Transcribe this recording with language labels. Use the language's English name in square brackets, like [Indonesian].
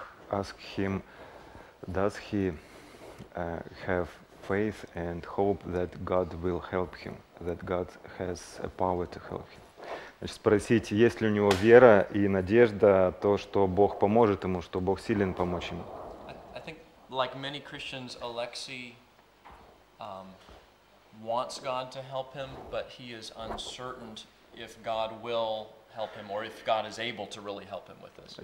[English] Ask him, does he have faith and hope that God will help him, that God has a power to help him? [Russian] Значит, спросить, есть ли у него вера и надежда, то, что Бог поможет ему, что Бог силен помочь ему. [English] I think, like many Christians, Alexei wants God to help him, but he is uncertain if God will help him or if God is able to really help him with this.